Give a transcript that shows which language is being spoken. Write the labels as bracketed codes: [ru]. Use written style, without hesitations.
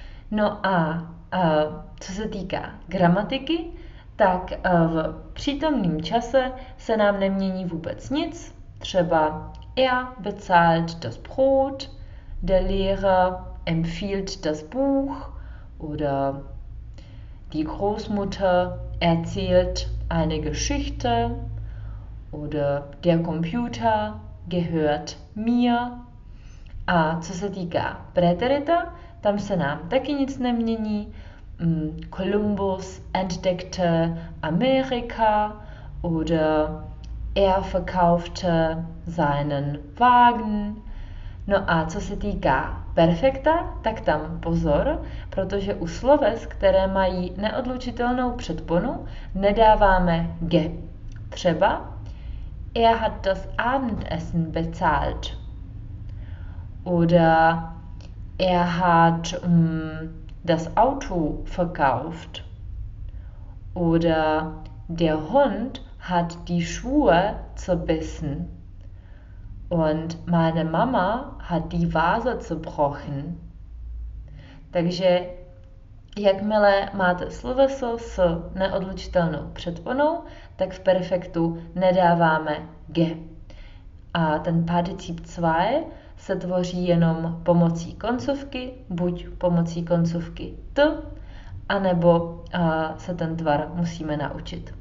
[cs] No a co se týká gramatiky, tak v přítomném čase se nám nemění vůbec nic, třeba [de] er bezahlt das Brot, der Lehrer empfiehlt das Buch oder die Großmutter erzählt eine Geschichte oder der Computer gehört mir. [cs] A co se týká Präterita, tam se nám taky nic nemění. [de] Columbus entdeckte Amerika oder verkaufte seinen Wagen. [cs] No a co se týká perfekta, tak tam pozor, protože u sloves, které mají neodlučitelnou předponu, nedáváme ge. Třeba [de] hat das Abendessen bezahlt. Oder hat das Auto verkauft. Oder der Hund hat die Schuhe zerbissen und meine Mama hat die Vase zerbrochen. [cs] Takže jakmile máte sloveso s neodlučitelnou předponou, tak v perfektu nedáváme ge. A ten particip 2 se tvoří jenom pomocí koncovky, buď pomocí koncovky t, anebo se ten tvar musíme naučit.